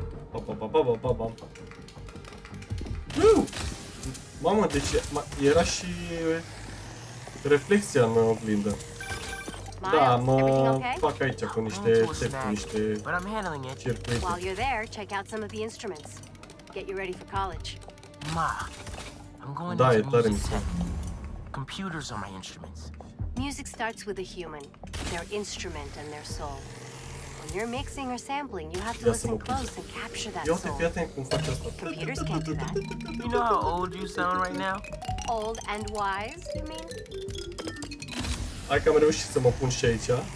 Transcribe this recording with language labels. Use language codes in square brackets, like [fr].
[ro] Pa, pa, pa, pa, pa, pa. Mamă, deci era și reflexia în oglindă. Da, mă fac aici cu niște țepi, niște circuite. [en] While you're there, check out some of the instruments. Get you ready for college. Ma, I'm going to the music tech. Computers are my instruments. Music starts with a human, their instrument and their soul. When you're mixing or sampling, you have to listen close and capture that soul. Computers can't do that. You know how old you sound right now? Old and wise, you mean? [ro] Hai că am reușit să mă pun și aici.